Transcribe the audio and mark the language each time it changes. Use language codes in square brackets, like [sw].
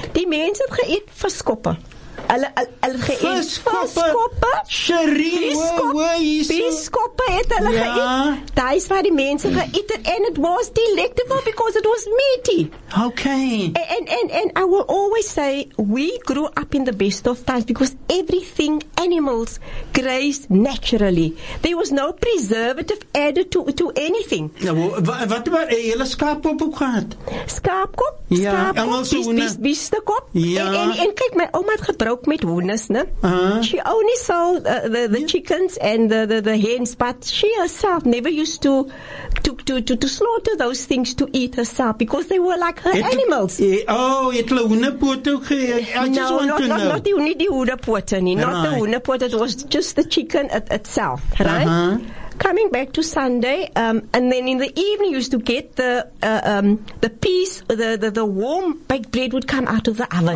[af] Die mens het geëet verskoppe. Viskoppe. Sherine, Viskoppe het hulle geëet. Daar is waar die mense geëet het. [en] And it was delectable because it was meaty. Okay. And I will always say, we grew up in the best of times because everything animals grazed naturally. There was no preservative added to anything. [af] Wat about hele skaapkop ook gehad? Skaapkop? Ja. Engelse hoene. Biestekop? Ja. En kijk, my oma het gebruik met hoenes, ne? [en] She only sold the chickens and the hens, but she herself never used to slaughter those things to eat herself because they were like her animals. [af] Het hulle hoenepoot ook gehad? [en] No, not [af] die hoenepoot nie. [en] Not the hoenepoot, it was just the chicken itself, right? Coming back to Sunday, and then in the evening used to get the piece, the warm baked bread would come out of the oven.